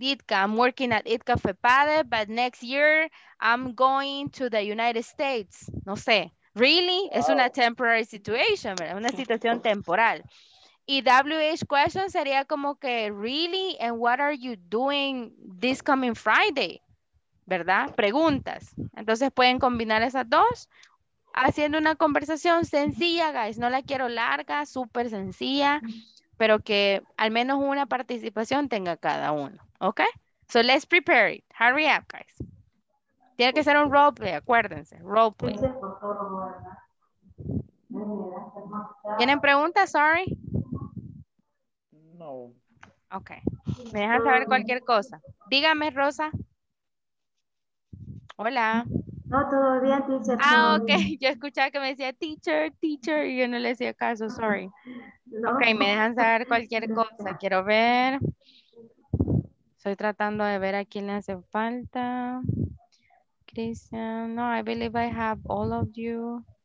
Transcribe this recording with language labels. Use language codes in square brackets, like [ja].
[en] I'm working at Itca Fepade, but next year I'm going to the United States. [es] No sé. [en] Really? Wow. [es] Es una [en] temporary situation, [es] ¿verdad? Una situación temporal. Y WH question sería como que, really? [en] And what are you doing this coming Friday? [es] ¿Verdad? Preguntas. Entonces pueden combinar esas dos haciendo una conversación sencilla, guys. No la quiero larga, súper sencilla, pero que al menos una participación tenga cada uno. [en] ¿Ok? So let's prepare it. Hurry up, guys. [es] Tiene que ser un roleplay, acuérdense. [en] Roleplay. [es] ¿Tienen preguntas? Sorry. No. Ok. Me dejan saber cualquier cosa. Dígame, Rosa. Hola. No, todo bien, teacher. Ah, ok. Yo escuchaba que me decía teacher, teacher, y yo no le hacía caso, sorry. No. Ok, me dejan saber cualquier cosa. Quiero ver. Estoy tratando de ver a quién le hace falta. [en] Christian, no, I believe I have all of you.